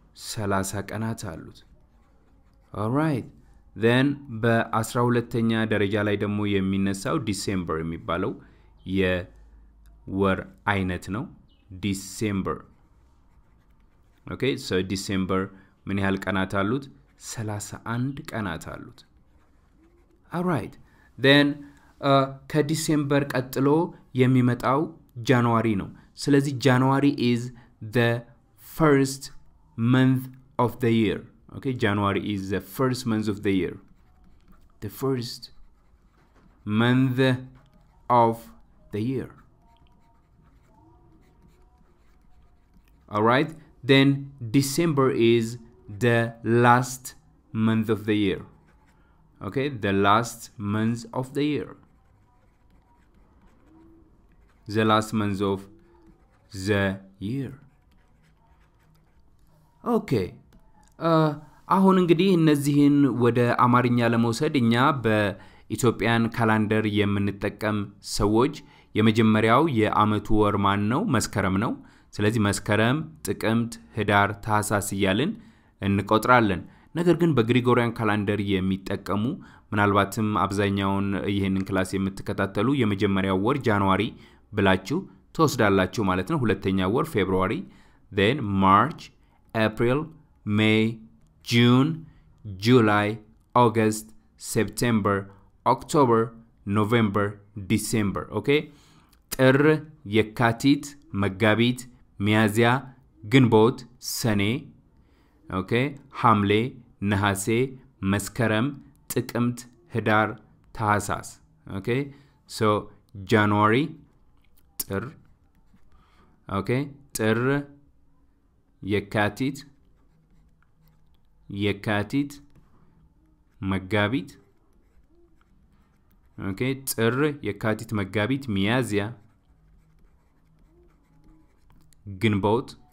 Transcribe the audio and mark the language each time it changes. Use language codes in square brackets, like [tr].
[am] 30 ቀናት አሉት። ኦራይት ዴን በ12ኛ ደረጃ ላይ ደግሞ የሚነሳው ዲሴምበር የሚባለው የወር አይነት ነው። ዲሴምበር ኦኬ ሶ ዲሴምበር ምን ያህል ቀናት አሉት? 31 ቀናት አሉት። [en] All right. Then [am] ከዲሴምበር ቀጥሎ የሚመጣው ጃንዋሪ ነው። ስለዚህ ጃንዋሪ [en] is the first month of the year. Okay, January is the first month of the year. The first month of the year. All right, then December is the last month of the year. Okay, the last month of the year. The last month of the year. Okay. [am] አሁን እንግዲህ እነዚህን ወደ አማርኛ ለመውሰድ እኛ በኢትዮጵያን ካላንደር የምንጠቀም ሰዎች የመጀመሪያው የአመቱ ወር ማን ነው? መስከረም ነው። ስለዚህ መስከረም፣ ጥቅምት፣ ህዳር፣ ታህሳስ ይያልን እንቆጥራለን። ነገር ግን በግሪጎሪያን ካላንደር የሚጠቀሙ ምናልባትም አብዛኛውን ይሄንን ክላስ የምትከታተሉ የመጀመሪያው ወር ጃንዋሪ ብላችሁ ተወስዳላችሁ ማለት ነው። ሁለተኛው ወር ፌብሩዋሪ፣ [en] then March, April, May, June, July, August, September, October, November, December. Okay? [am] ጥር፣ የካቲት፣ መጋቢት፣ ሚያዝያ፣ ግንቦት፣ ሰኔ። [en] Okay? [am] ሐምሌ፣ ነሐሴ፣ መስከረም፣ ጥቅምት፣ ህዳር፣ ታህሳስ። [en] Okay? So, January, ጥር. Okay? [am] ጥር፣ የካቲት፣ የካቲት፣ መጋቢት። ኦኬ፣ ጥር፣ የካቲት፣ መጋቢት፣ ሚያዝያ፣ ግንቦት፣